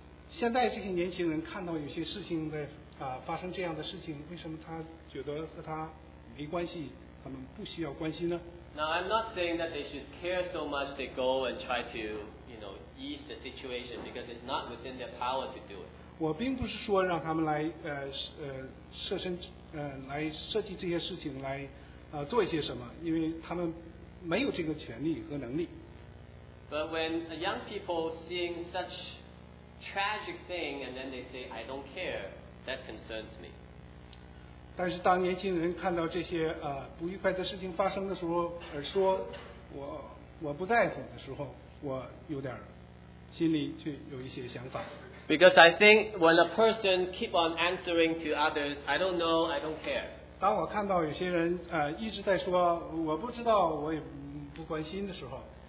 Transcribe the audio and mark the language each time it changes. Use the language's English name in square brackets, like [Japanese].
[Chinese] 现在这些年轻人看到有些事情在发生这样的事情，为什么他觉得和他没关系，他们不需要关心呢？ [English] Now I'm not saying that they should care so much they go and try to, you know, ease the situation because it's not within their power to do it. [Chinese] 我并不是说让他们来设身来设计这些事情来做一些什么，因为他们没有这个权利和能力。 [English] But when young people seeing such tragic thing and then they say, I don't care, that concerns me. [Chinese] 但是当年轻人看到这些不愉快的事情发生的时候而说我不在乎的时候我有点心里就有一些想法。 [English] Because I think when a person keep on answering to others, I don't know, I don't care. [Chinese] 当我看到有些人一直在说我不知道我也不关心的时候